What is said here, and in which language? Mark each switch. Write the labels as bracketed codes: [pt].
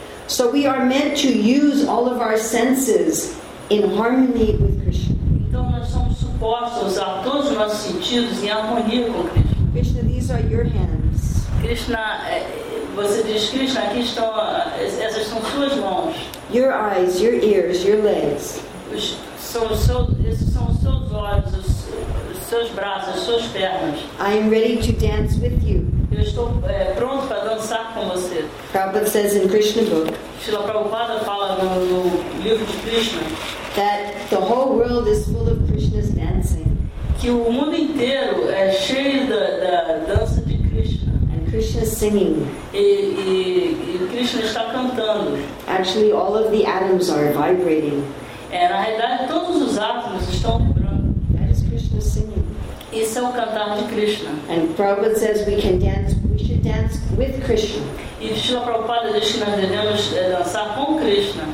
[en] So we are meant to use all of our senses in harmony with Krishna. [pt] Então nós somos supostos a usar todos os nossos sentidos em harmonia com Krishna. [en] Krishna, these are your hands. [pt] Krishna, você diz, Krishna, aqui estão, essas são suas mãos. [en] Your eyes, your ears, your legs. [pt] Esses são os seus olhos, os seus braços, as suas pernas. [en] I am ready to dance with you. [pt] Eu estou pronto para dançar com você. [en] Prabhupada says in Krishna book. [pt] Srila Prabhupada fala no livro de Krishna. [en] That the whole world is full of Krishna's dancing. [pt] Que o mundo inteiro é cheio da dança de Krishna. [en] And Krishna is singing. [pt] E Krishna está cantando. [en] Actually, all of the atoms are vibrating. [pt] É, na realidade, todos os átomos estão vibrando. [en] That is Krishna singing. [pt] Isso é o cantar de Krishna. [en] And Prabhupada says we can dance, we should dance with Krishna. [pt] E Srila Prabhupada diz que nós devemos dançar com Krishna.